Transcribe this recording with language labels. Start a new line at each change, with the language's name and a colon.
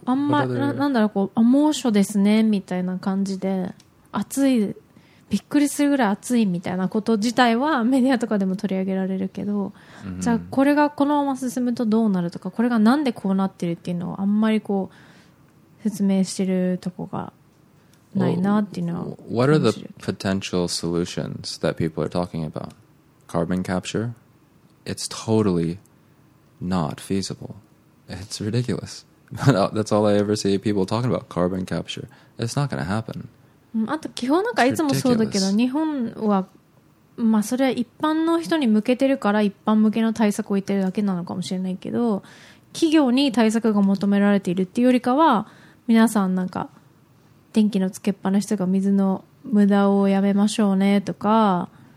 Japanese: あんま、なんだろう、こう、猛暑ですねみたいな感じで。暑い、びっくりするぐらい暑いみたいなこと自体はメディアとかでも取り上げられるけど、mm-hmm. じゃあこれがこのまま進むとどうなるとか、これがなんでこうなってるっていうのをあんまりこう説明してるとこがないなっていうのは。
English: What are the potential solutions that people are talking about? Carbon capture? It's totally not feasible. It's ridiculous. That's all I ever see people talking about, carbon capture. It's not going to happen.
Japanese: あと基本なんかいつもそうだけど、日本はまあそれは一般の人に向けてるから一般向けの対策を言ってるだけなのかもしれないけど、企業に対策が求められているっていうよりかは、皆さんなんか電気のつけっぱなしとか水の無駄をやめましょうねとか、